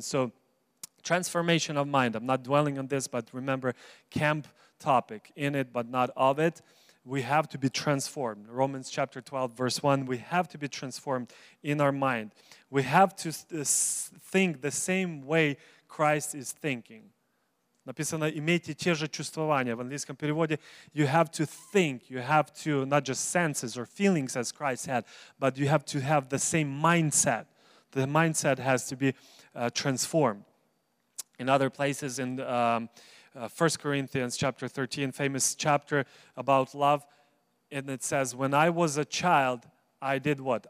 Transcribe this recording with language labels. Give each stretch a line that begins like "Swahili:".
English: So transformation of mind. I'm not dwelling on this, but remember, camp topic, in it but not of it. We have to be transformed. Romans chapter 12, verse 1, we have to be transformed in our mind. We have to think the same way Christ is thinking.
Russian: Написано, имейте те же чувствования. В английском переводе,
English: you have to think, you have to, not just senses or feelings as Christ had, but you have to have the same mindset. The mindset has to be transformed. In other places, in 1 Corinthians chapter 13, famous chapter about love, and it says, when I was a child, I did what?